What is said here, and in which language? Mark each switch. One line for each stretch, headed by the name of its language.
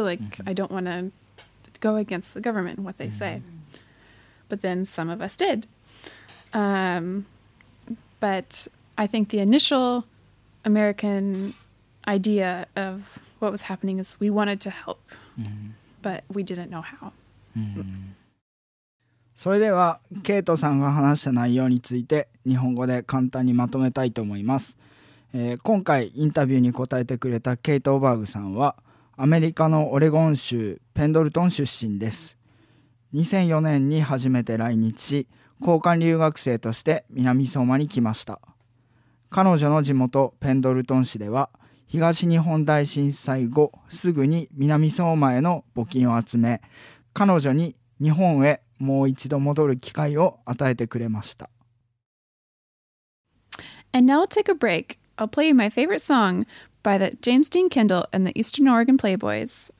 English: Like, I don't want to go against the government and what they say. But then some of us did. But I think the initial American idea of what was happening is we wanted to help, but we didn't know how.
Japanese: それでは、ケイトさんが話した内容について日本語で簡単にまとめたいと思います。今回インタビューに答えてくれたケイト・オバーグさんはアメリカのオレゴン州ペンドルトン出身です。 2004年に初めて来日し、交換留学生として南相馬に来ました。彼女の地元ペンドルトン市では、東日本大震災後すぐに南相馬への募金を集め、彼女に日本へもう一度戻る機会を与えてくれました。
English: And now I'll take a break. I'll play you my favorite song by the James Dean Kendall and the Eastern Oregon Playboys.